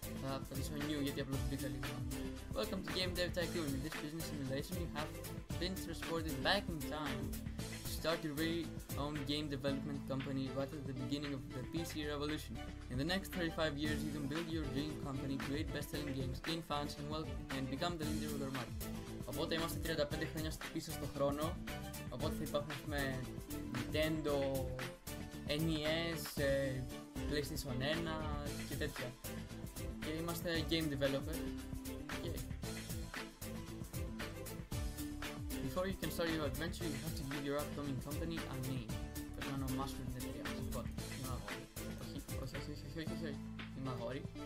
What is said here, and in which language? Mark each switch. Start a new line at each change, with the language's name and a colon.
Greek: Θα πατήσω new γιατί απλώς μπήκα λίγο.
English: Welcome to Game Dev Tycoon. In this business simulation you have been transported back in time to start your very own game development company right at the beginning of the PC revolution. In the next 35 years you can build your dream company, create best-selling games, gain fans and well, and become the leader of the market.
Greek: Οπότε είμαστε 35 χρόνια πίσω στο χρόνο. Οπότε θα υπάρχουν με Nintendo, NES, PlayStation 1 και τέτοια. Και είμαστε game developer.
English: Yeah. Before you can start your adventure, you have to give your upcoming company a name.
Greek: Πρέπει να ονομάσουμε την εταιρεία μας. Λοιπόν, είμαι αγόρι. Όχι. Είμαι αγόρι.